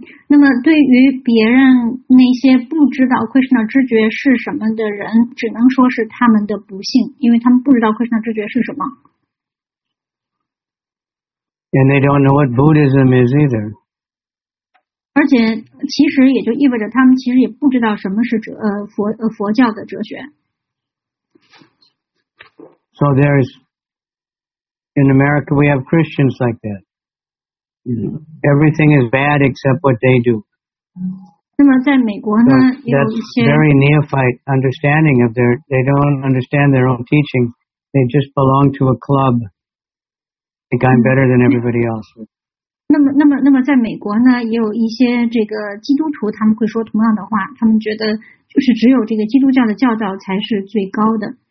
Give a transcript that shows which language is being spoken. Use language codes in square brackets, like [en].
[zh] 那么对于别人那些不知道 Krishna 知觉是什么的人，只能说是他们的不幸，因为他们不知道 Krishna 知觉是什么。 [en] And they don't know what Buddhism is either. [zh] 而且其实也就意味着他们其实也不知道什么是佛教的哲学。 [en] So there is, in America we have Christians like that. Everything is bad except what they do. [zh] 那么在美国呢，有一些 [en] very neophyte understanding of their, they don't understand their own teaching. They just belong to a club. Think I'm better than everybody else. [zh] 那么在美国呢，也有一些这个基督徒，他们会说同样的话，他们觉得就是只有这个基督教的教导才是最高的。